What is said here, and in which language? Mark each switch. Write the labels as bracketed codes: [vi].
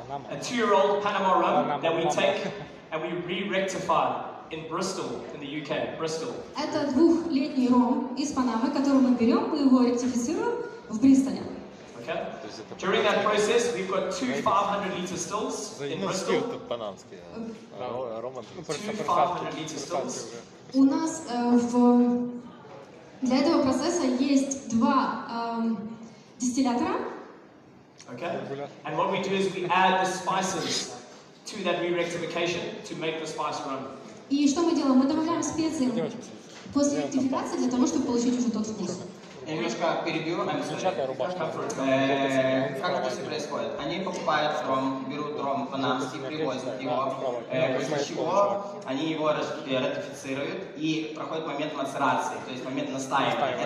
[en] A two-year-old Panama rum that we take and we re-rectify. in Bristol, in the UK, Bristol. [ru] Это двухлетний ром из Панамы, который мы берем, мы его ректифицируем в Бристоле. [en] Okay. During that process, we've got two 500 liter stills in Bristol. Two 500 liter stills. [ru] У нас в для этого процесса есть два дистиллятора. [en] Okay. And what we do is we add the spices to that re-rectification to make the spice run. [ru] И что мы делаем? Мы добавляем специи после ректификации для того, чтобы получить уже тот вкус. Я немножко перебью. Как это все происходит? Они покупают ром, берут ром панамский, привозят его. После чего они его ратифицируют и проходит момент мацерации, то есть момент настаивания.